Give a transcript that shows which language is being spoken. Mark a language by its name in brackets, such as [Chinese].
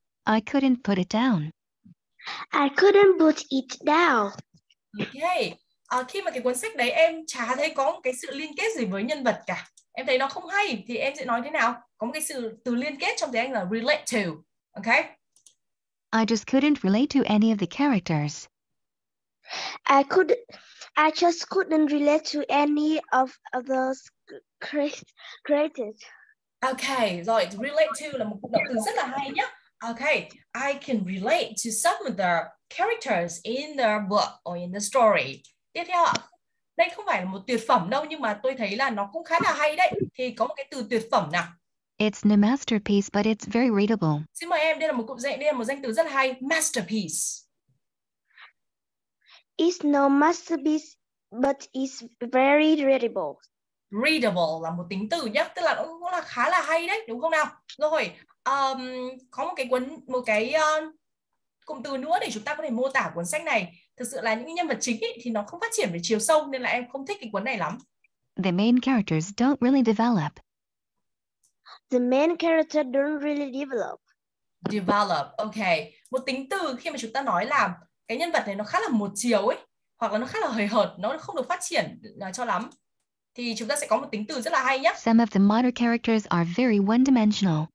[English] I couldn't put it down. I couldn't put it down. Okay. [Vietnamese] Khi mà cái cuốn sách đấy em chả thấy có một cái sự liên kết gì với nhân vật cả. Em thấy nó không hay thì em sẽ nói thế nào? Có một cái sự từ liên kết trong tiếng Anh là [English] relate to. Okay? I just couldn't relate to any of the characters. I just couldn't relate to any of those created. [Vietnamese] Okay, rồi, [English] relate to [Vietnamese] là một động từ rất là hay nhé. [English] Okay, I can relate to some of the characters in the book or in the story. [Vietnamese] Tiếp theo ạ, đây không phải là một tuyệt phẩm đâu, nhưng mà tôi thấy là nó cũng khá là hay đấy. Thì có một cái từ tuyệt phẩm nào. [English] It's no masterpiece, but it's very readable. [Vietnamese] Xin mời em, đây là một cụm dạy, đây là một danh từ rất là hay, masterpiece. [English] It's no masterpiece, but it's very readable. [Vietnamese] Readable là một tính từ nhé, tức là nó cũng là khá là hay đấy, đúng không nào? Rồi, có một cái cụm từ nữa để chúng ta có thể mô tả cuốn sách này. Thực sự là những nhân vật chính ấy, thì nó không phát triển về chiều sâu nên là em không thích cái cuốn này lắm. [English] The main characters don't really develop. The main character don't really develop. Develop, okay. [Vietnamese] Một tính từ khi mà chúng ta nói là cái nhân vật này nó khá là một chiều ấy, hoặc là nó khá là hời hợt, nó không được phát triển cho lắm. Thì chúng ta sẽ có một tính từ rất là hay nhé. [English] Some of the minor characters are very one-dimensional.